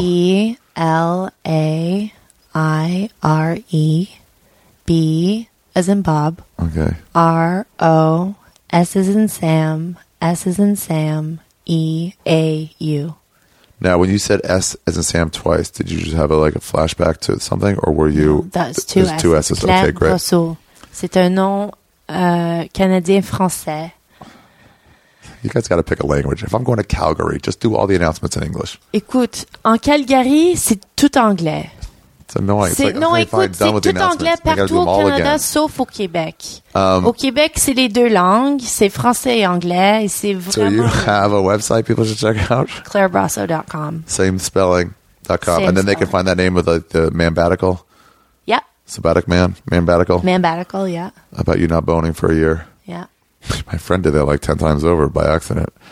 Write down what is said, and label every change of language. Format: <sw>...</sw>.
<en>C-L-A-I-R-E-B as in Bob. Okay. R-O, S as in Sam, S as in Sam, E-A-U. Now, when you said S as in Sam twice, did you just have a, like a flashback to something or were you... No, that's two S's. Claire Brosseau.</en> <fr>C'est un nom canadien français.</fr> <en>You guys got to pick a language. If I'm going to Calgary, just do all the announcements in English.</en> <fr>Écoute, en Calgary, c'est tout anglais.</fr> <en>It's annoying. It's like,</en> <fr>non,</fr> <en>okay,</en> <fr>écoute,</fr> <en>fine,</en> <fr>c'est tout anglais partout au Canada,</fr> <en>again.</en> <fr>Sauf au Québec. Au Québec, c'est les deux langues. C'est français et anglais. Et c'est vraiment...</fr> <en>So you have a website people should check out? ClaireBrosseau.com. Same spelling.com. Same and then spelling. They can find that name with the Mambatical. Yep. Sabbatic man. Mambatical. Mambatical, yeah. How about you not boning for a year? Yeah. My friend did that like 10 times over by accident.</en>